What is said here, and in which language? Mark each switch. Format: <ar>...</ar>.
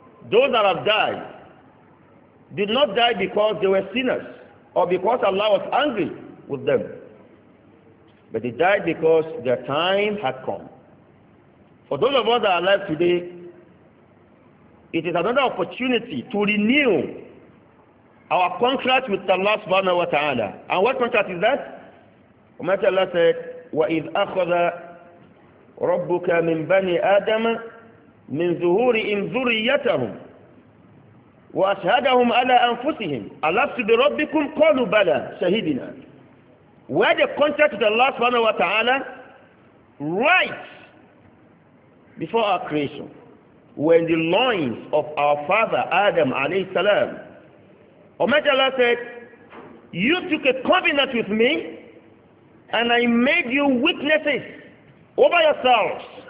<en>Those that have died did not die because they were sinners or because Allah was angry with them, but they died because their time had come. For those of us that are alive today, it is another opportunity to renew our contract with Allah subhanahu wa ta'ala. And what contract is that? Umayyat Allah said,</en> <ar>وَإِذْ أَخَذَ رَبُّكَ مِنْ بَنِي آدَمَ مِنْ ذُهُورِهِمْ ذُرِّيَّتَهُمْ وَأَشْهَدَهُمْ عَلَىٰ أَنفُسِهِمْ أَلَسْتُ بِرَبِّكُمْ قَالُوا بَلَىٰ شَهِدِنَا.</ar> <en>Where the contract with Allah subhanahu wa ta'ala, right before our creation, when the loins of our father Adam alayhi salam, Almighty Allah said, you took a covenant with me and I made you witnesses over yourselves.</en>